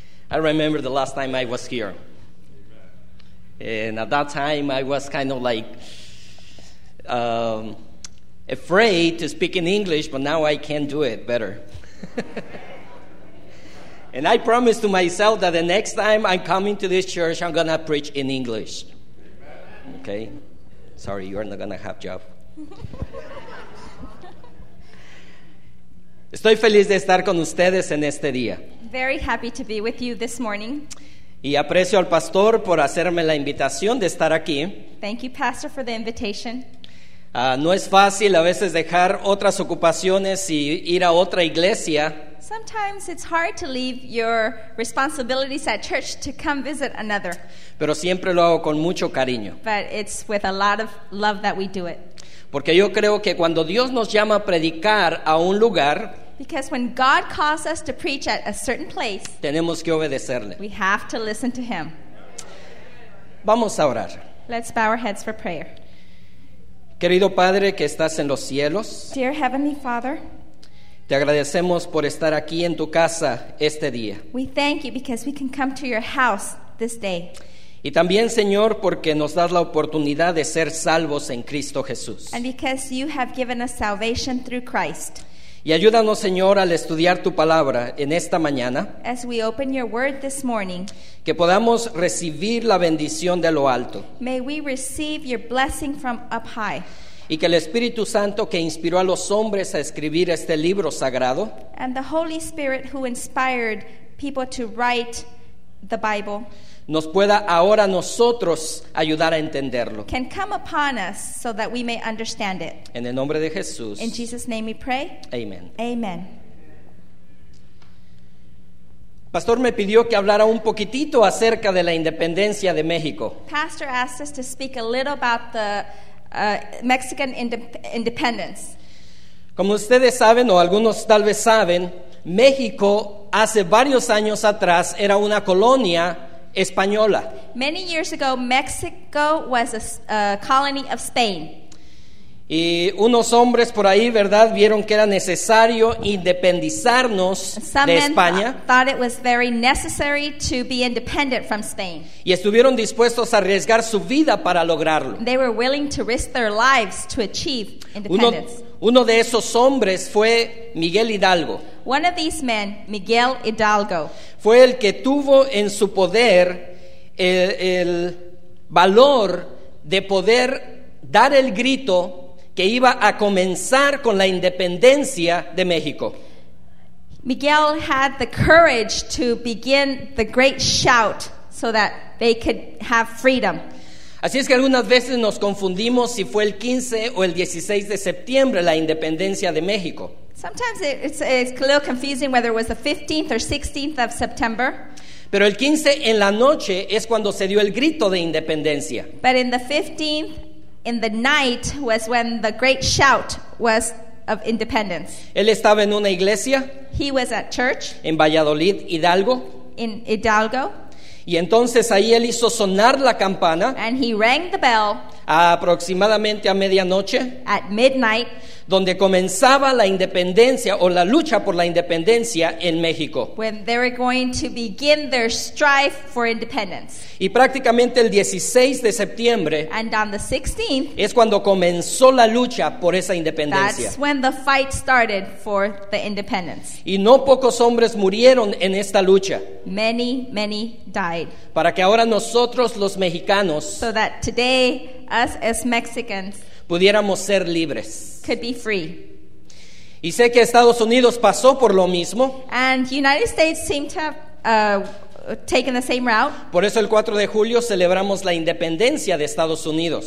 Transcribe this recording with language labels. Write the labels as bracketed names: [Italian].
[English] I remember the last time I was here. And at that time, I was kind of like afraid to speak in English, but now I can do it better. And I promised to myself that the next time I'm coming to this church, I'm going to preach in English. Okay? Sorry, you're not going to have a job. [Spanish] Estoy feliz de estar con ustedes en este día. [English] Very happy to be with you this morning. [Spanish] Y aprecio al pastor por hacerme la invitación de estar aquí. [English] Thank you, Pastor, for the invitation. [Spanish] No es fácil a veces dejar otras ocupaciones y ir a otra iglesia. [English] Sometimes it's hard to leave your responsibilities at church to come visit another. [Spanish] Pero siempre lo hago con mucho cariño. [English] But it's with a lot of love that we do it. [Spanish] Porque yo creo que cuando Dios nos llama a predicar a un lugar, [English] because when God calls us to preach at a certain place, [Spanish] tenemos que obedecerle. [English] We have to listen to Him. [Spanish] Vamos a orar. [English] Let's bow our heads for prayer. [Spanish] Querido Padre que estás en los cielos, [English] dear Heavenly Father, [Spanish] te agradecemos por estar aquí en tu casa este día. [English] We thank you because we can come to your house this day. [Spanish] Y también, Señor, porque nos das la oportunidad de ser salvos en Cristo Jesús. [English] And because you have given us salvation through Christ. [Spanish] Y ayúdanos, Señor, al estudiar tu palabra en esta mañana. [English] As we open your word this morning. [Spanish] Que podamos recibir la bendición de lo alto. [English] May we receive your blessing from up high. [Spanish] Y que el Espíritu Santo que inspiró a los hombres a escribir este libro sagrado. [English] And the Holy Spirit who inspired people to write the Bible. [Spanish] Nos pueda ahora nosotros ayudar a entenderlo. [English] Can come upon us so that we may understand it. [Spanish] En el nombre de Jesús. [English] In Jesus' name we pray. [Spanish] Amen. [English] Amen. [Spanish] Pastor me pidió que hablara un poquitito acerca de la independencia de México. [English] Pastor asked us to speak a little about the Mexican independence. [Spanish] Como ustedes saben, o algunos tal vez saben, México hace varios años atrás era una colonia española. [English] Many years ago, Mexico was a colony of Spain. [Spanish] Y unos hombres por ahí, ¿verdad?, vieron que era necesario independizarnos de España. [English] Some men thought it was very necessary to be independent from Spain. [Spanish] Y estuvieron dispuestos a arriesgar su vida para lograrlo. [English] They were willing to risk their lives to achieve independence. [Spanish] Uno de esos hombres fue Miguel Hidalgo. [English] One of these men, Miguel Hidalgo, [Spanish] fue el que tuvo en su poder el valor de poder dar el grito que iba a comenzar con la independencia de México. [English] Miguel had the courage to begin the great shout so that they could have freedom. [Spanish] Así es que algunas veces nos confundimos si fue el 15 o el 16 de septiembre la independencia de México. [English] Sometimes it's a little confusing whether it was the 15th or 16th of September. [Spanish] Pero el 15 en la noche es cuando se dio el grito de independencia. [English] But in the 15th, in the night, was when the great shout was of independence. [Spanish] Él estaba en una iglesia. [English] He was at church. [Spanish] En Valladolid, Hidalgo. [English] In Hidalgo. [Spanish] Y entonces ahí él hizo sonar la campana. [English] And he rang the bell. [Spanish] Aproximadamente a medianoche. [English] At midnight. [Spanish] Donde comenzaba la independencia o la lucha por la independencia en México. [English] When they were going to begin their strife for independence. [Spanish] Y prácticamente el 16 de septiembre. [English] And on the 16th. [Spanish] Es cuando comenzó la lucha por esa independencia. [English] That's when the fight started for the independence. [Spanish] Y no pocos hombres murieron en esta lucha. [English] Many, many died. [Spanish] Para que ahora nosotros los mexicanos. [English] So that today, us as Mexicans. [Spanish] Pudiéramos ser libres. [English] Could be free. [Spanish] Y sé que Estados Unidos pasó por lo mismo. [English] And the United States seemed to have taken the same route. [Spanish] Por eso el 4 de julio celebramos la independencia de Estados Unidos.